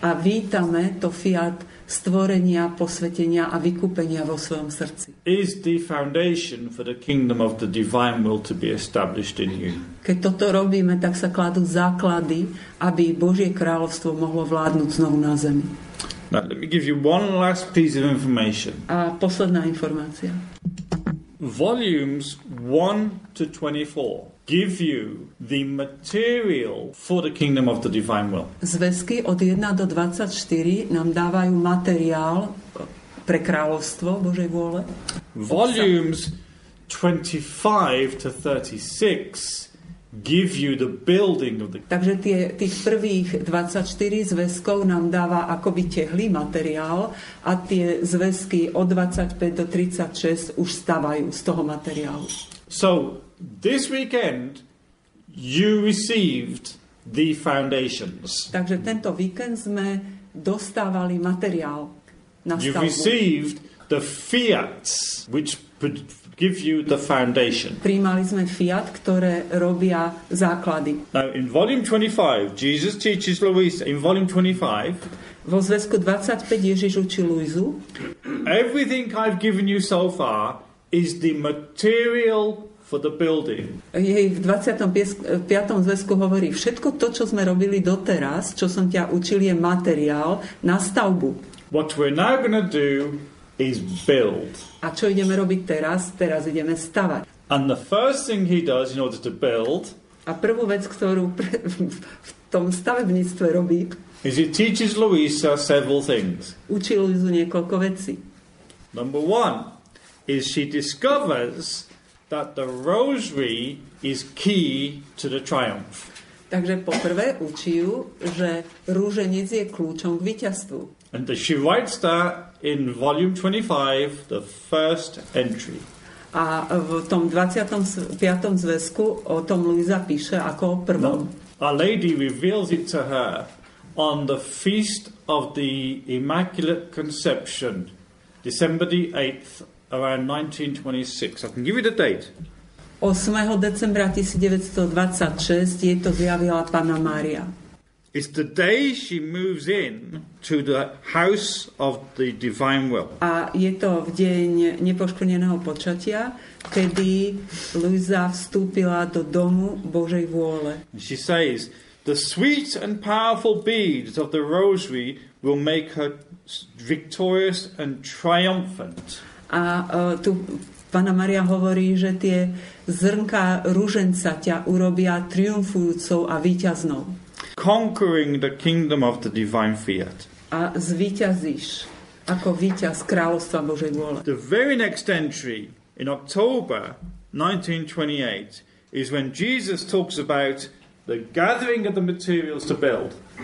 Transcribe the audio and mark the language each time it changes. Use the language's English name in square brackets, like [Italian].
[Slovak] A vítame to fiat stvorenia, posvetenia a vykúpenia vo svojom srdci. [English] Is the foundation for the kingdom of the divine will to be established in you. [Slovak] Keď toto robíme, tak sa kladú základy, aby Božie kráľovstvo mohlo vládnuť znovu na zemi. [English] Now, let me give you one last piece of information. [Slovak] A posledná informácia. [English] Volumes 1 to 24 give you the material for the kingdom of the divine will. [Slovak] Zväzky od 1 do 24 nám dávajú materiál pre kráľovstvo Božej vôle. [English] Volumes 25 to 36 give you the building of the. [Slovak] Takže tých prvých 24 zväzkov nám dáva akoby tehlý materiál a tie zväzky od 25 do 36 už stavajú z toho materiálu. [English] So this weekend you received the foundations. [Slovak] Takže tento víkend sme dostávali materiál na stavbu. [English] You received the fiats which give you the foundation. [Slovak] Prijímali sme fiat, ktoré robia základy. [English] Now in volume 25, Jesus teaches Louisa. In volume 25, [Slovak] vo zväzku 25 Ježiš učí Louisu. [English] Everything I've given you so far is the material for the building. [Slovak] Jej v 25. zväzku hovorí, všetko to, čo sme robili doteraz, čo som ťa učil, je materiál na stavbu. [English] What we're now going to do is build. [Slovak] A čo ideme robiť teraz? Teraz ideme stavať. [English] And the first thing he does in order to build. [Slovak] A prvú vec, ktorú v tom stavebníctve robí, [English] is he teaches Louisa several things. [Slovak] Učí Louisu niekoľko vecí. [English] Number one is she discovers that the rosary is key to the triumph. [Slovak] Takže poprvé učí ju, že rúženec je kľúčom k víťazstvu. [English] And she writes that in volume 25, the first entry. [Slovak] A v tom 25. zväzku o tom Louisa píše ako o prvom. [English] A lady reveals it to her on the feast of the Immaculate Conception, December the 8th, around 1926. I can give you the date. [Slovak] 8. decembra 1926 jej to zjavila Panna Mária. [English] It's the day she moves in to the house of the divine will. [Slovak] A je to v deň nepoškvrneného počatia, kedy Louisa vstúpila do domu Božej vôle. [English] She says, the sweet and powerful beads of the rosary will make her victorious and triumphant. [Slovak] A tu Panna Mária hovorí, že tie zrnka rúženca ťa urobia triumfujúcou a víťaznou. [English] Conquering the kingdom of the divine fiat. [Slovak] A zvíťazíš ako víťaz kráľovstva Božej vôle. [English] The very next entry in October 1928 is when Jesus talks about the gathering of the materials to build.